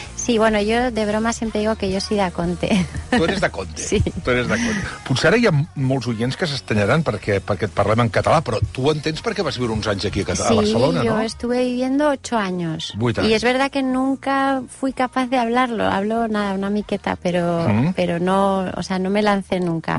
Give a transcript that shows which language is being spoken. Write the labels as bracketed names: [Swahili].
[Spanish] Sí, bueno, [Catalan] jo de broma sempre [Spanish] digo que jo soy de Conte. Tu eres de Conte. Sí. Tu eres de Conte. [Catalan] Potser ara hi ha molts oients que s'estanyaran perquè et parlem en català, però tu entens perquè vas viure uns anys aquí a Barcelona, [Spanish] no? Sí, jo estuve viviendo 8 años. [Catalan] 8 anys. [Spanish] Y es verdad que nunca fui capaz de hablarlo. Hablo nada, [Catalan] una miqueta, [Spanish] pero no, o sea, no me lancé nunca.